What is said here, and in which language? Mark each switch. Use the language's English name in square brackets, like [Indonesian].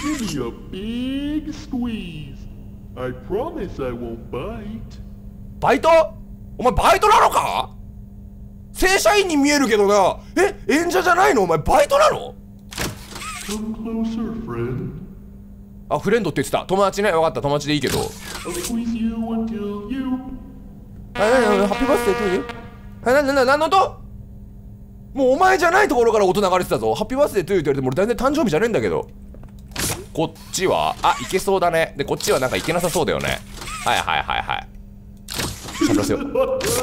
[English] Give me a big squeeze. I promise I won't bite. [Japanese] バイト？お前バイトなのか？正社員に見えるけどな。え、演者じゃないの？お前バイトなの？ [English] Come closer, friend. [Japanese] あ、フレンドって言ってた。友達ね。分かった。友達でいいけど。 [English] I'll squeeze you until you. [Japanese] あ、なになに？ハッピーバースデー？どういう？あ、なになに？何の音？もうお前じゃないところから音流れてたぞ。ハッピーバースデーと言われても俺全然誕生日じゃねえんだけど。こっちは、あ、いけそうだね。で、こっちはなんかいけなさそうだよね。はいはいはいはい。しゃべらせよう。